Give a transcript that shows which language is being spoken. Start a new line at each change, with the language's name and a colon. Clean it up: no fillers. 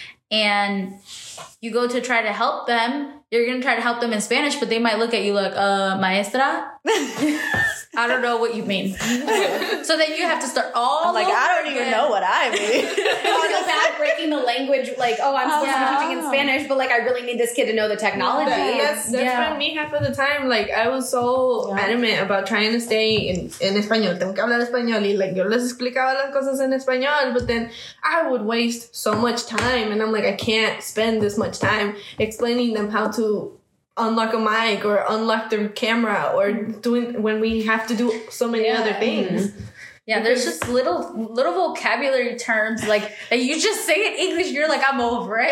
English: And you go to try to help them. You're going to try to help them in Spanish, but they might look at you like, maestra, I don't know what you mean. So then you have to start all I'm like, over I don't even again. Know what I mean. Feel bad breaking the language, like, oh, I'm supposed to be teaching in Spanish, but, like, I really need this kid to know the technology. Yeah, that's been me half of the time. Like, I was so adamant about trying to stay in español.
Spanish: Tengo que hablar español. Y, like, yo les explicaba las cosas en español.
English: But then I would waste so much time. And I'm like, I can't spend this much time explaining them how to unlock a mic or unlock their camera or doing when we have to do so many other things. Yeah, there's just little vocabulary terms like that you just say in English, you're like, I'm over it.